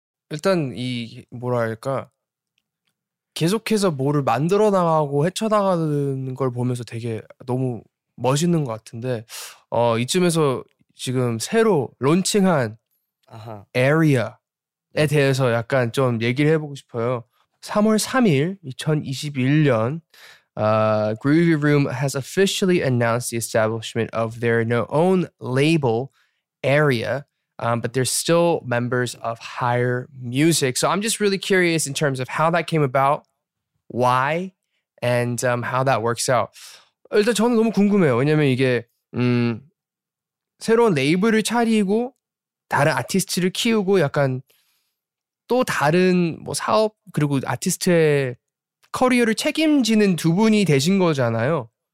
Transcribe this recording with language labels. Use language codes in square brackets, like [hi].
[ko] 일단 이 뭐라 할까 계속해서 뭐를 만들어 나가고 헤쳐나가는 걸 보면서 되게 너무 멋있는 것 같은데 이쯤에서 지금 새로 론칭한 아하. Area에 대해서 약간 좀 얘기를 해보고 싶어요. [en] 3월 3일 2021년 Groovy Room has officially announced the establishment of their own label Area. But there's still members of Higher Music. So I'm just really curious in terms of how that came about. Why and how that works out. [ko] 일단 저는 너무 궁금해요. 왜냐면 이게 새로운 레이블을 차리고 다른 아티스트를 키우고 약간 또 다른 뭐 사업 그리고 아티스트의 커리어를 책임지는 두 분이 되신 거잖아요.